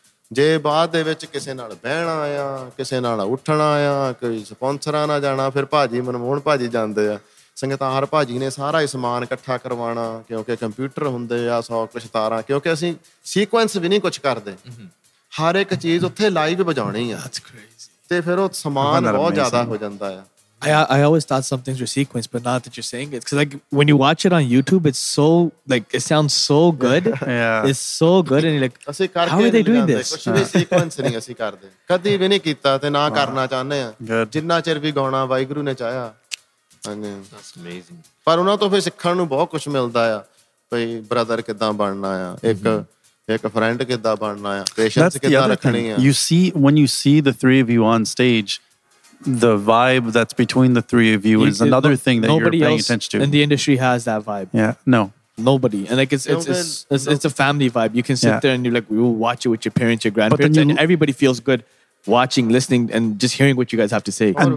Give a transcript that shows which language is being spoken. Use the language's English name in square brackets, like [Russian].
[Punjabi] ਜੇ ਬਾਅਦ ਦੇ ਵਿੱਚ ਕਿਸੇ ਨਾਲ ਬਹਿਣਾ ਆ ਕਿਸੇ ਨਾਲ ਉੱਠਣਾ ਆ ਕੋਈ ਸਪੋਂਸਰਾਂ ਨਾਲ ਜਾਣਾ, ਫਿਰ ਭਾਜੀ ਮਨਮੋਹਨ ਭਾਜੀ ਜਾਂਦੇ ਆ, ਸੰਗਤਾਰ ਭਾਜੀ ਨੇ ਸਾਰਾ ਹੀ ਸਮਾਨ ਇਕੱਠਾ ਕਰਵਾਉਣਾ, ਕਿਉਂਕਿ ਕੰਪਿਊਟਰ ਹੁੰਦੇ ਆ ਸੌ ਕੁਛ ਤਾਰਾਂ, ਕਿਉਂਕਿ ਅਸੀਂ ਸੀਕੁਐਂਸ ਵੀ ਨਹੀਂ ਕੁਛ ਕਰਦੇ, ਹਰ ਇੱਕ ਚੀਜ਼ ਉੱਥੇ ਲਾਈਵ ਵਜਾਉਣੀ ਆ, ਤੇ ਫਿਰ ਉਹ ਸਮਾਨ ਬਹੁਤ ਜ਼ਿਆਦਾ ਹੋ ਜਾਂਦਾ ਆ. [English] I always thought some things were sequenced, but not that you're saying it. Because like when you watch it on YouTube, it's so like it sounds so good. Yeah, it's so good, and you're like, how are they doing this? [Punjabi] ਕੁਛ ਵੀ sequence ਨਹੀਂ ਅਸੀਂ ਕਰਦੇ, ਕਦੀ ਵੀ ਨਹੀਂ ਕੀਤਾ ਤੇ ਨਾ ਕਰਨਾ ਚਾਹੁੰਦੇ ਆ, ਜਿੰਨਾ ਚਿਰ ਵੀ ਗਾਉਣਾ ਵਾਹਿਗੁਰੂ ਨੇ ਚਾਹਿਆ. [English] That's amazing. [Punjabi] ਪਰ ਉਹਨਾਂ ਤੋਂ ਫਿਰ ਸਿੱਖਣ ਨੂੰ ਬਹੁਤ ਕੁਛ ਮਿਲਦਾ ਆ, ਭਈ ਬ੍ਰਦਰ ਕਿੱਦਾਂ ਬਣਨਾ ਆ, ਇੱਕ ਇੱਕ ਫਰੈਂਡ ਕਿੱਦਾਂ ਬਣਨਾ ਆ, ਪੇਸ਼ੈਂਸ ਕਿੱਦਾਂ ਰੱਖਣੀ ਆ. [English] You see, when you see the three of you on stage, the vibe that's between the three of you is another thing that nobody you're paying attention to. And the industry has that vibe. Yeah, no. Nobody. And like it's a family vibe. You can sit there and you're like, we will watch it with your parents, your grandparents. And everybody feels good watching, listening, and just hearing what you guys have to say.